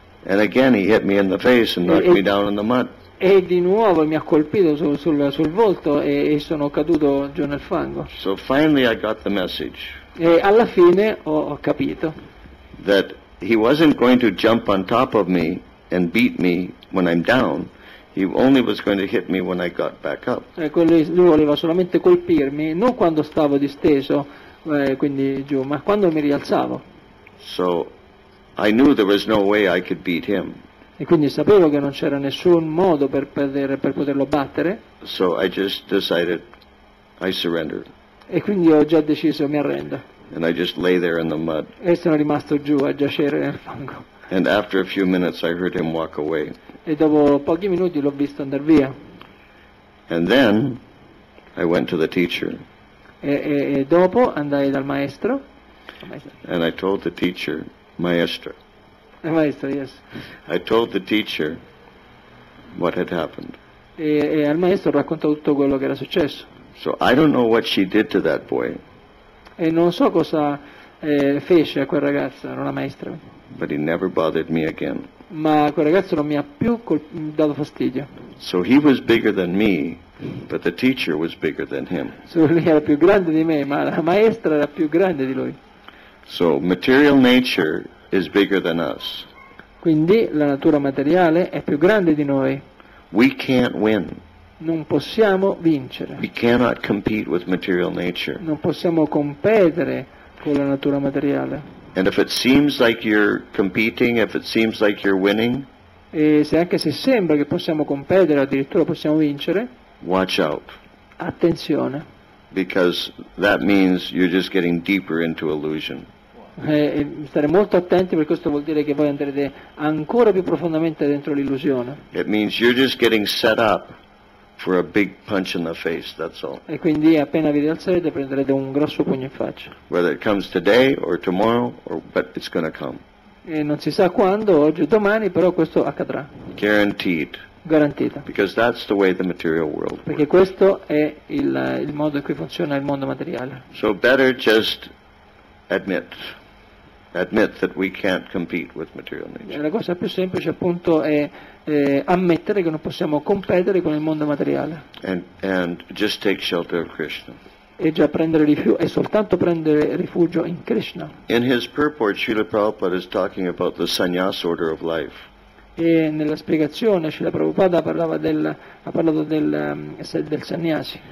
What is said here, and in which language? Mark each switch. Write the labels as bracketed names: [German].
[English] And again he hit me in the face and knocked me down in the mud. [Italian] E di nuovo mi ha colpito sul volto e sono caduto giù nel fango. [English] So finally I got the message. [Italian] E alla fine ho capito. [English] That he wasn't going to jump on top of me and beat me when I'm down. He only was going to hit me when I got back up. [Italian] Ecco, lui voleva solamente colpirmi, non quando stavo disteso, quindi giù, ma quando mi rialzavo. [English] So I knew there was no way I could beat him. [Italian] E quindi sapevo che non c'era nessun modo per poterlo battere. [English] So I just decided I surrendered. [Italian] E quindi ho già deciso, mi arrendo. [English] And I just lay there in the mud. [Italian] E sono rimasto giù a giacere nel fango. [English] And after a few minutes I heard him walk away. [Italian] E dopo pochi minuti l'ho visto andare via. [English] And then I went to the teacher. [Italian] E dopo andai dal maestro. [English] And I told the teacher. Maestro. Maestro, yes. I told the teacher what had happened. [Italian] E al maestro raccontò tutto quello che era successo. [English] So I don't know what she did to that boy. [Italian] E non so cosa fece a quel ragazzo, non la maestra. [English] But he never bothered me again. [Italian] Ma quel ragazzo non mi ha più dato fastidio. [English] So he was bigger than me, but the teacher was bigger than him. [Italian] So lui era più grande di me, ma la maestra era più grande di lui. [English] So material nature is bigger than us. [Italian] Quindi la natura materiale è più grande di noi. [English] We can't win. [Italian] Non possiamo vincere. [English] We cannot compete with material nature. [Italian] Non possiamo competere con la natura materiale. [English] And if it seems like you're competing, if it seems like you're winning, [Italian] e se anche se sembra che possiamo competere, addirittura possiamo vincere, [English] watch out. [Italian] Attenzione. [English] Because that means you're just getting deeper into illusion. [Italian] Stare molto attenti perché questo vuol dire che voi andrete ancora più profondamente dentro l'illusione. [English] It means you're just getting set up for a big punch in the face, that's all. [Italian] E quindi appena vi rialzerete prenderete un grosso pugno in faccia. [English] Whether it comes today or tomorrow, but it's going to come. [Italian] e non si sa quando, oggi o domani, però questo accadrà. [English] Guaranteed. [Italian] Garantita. [English] Because that's the way the material world works. [Italian] Perché questo è il modo in cui funziona il mondo materiale. [English] So better just admit that we can't compete with material nature. [Italian] La cosa più semplice appunto è ammettere che non possiamo competere con il mondo materiale. [English] And just take shelter of Krishna. [Italian] E già prendere rifugio e soltanto prendere rifugio in Krishna. [English] In his purport, Srila Prabhupada is talking about the sannyas order of life. [Italian] E nella spiegazione Srila Prabhupada ha parlato del del sannyasi.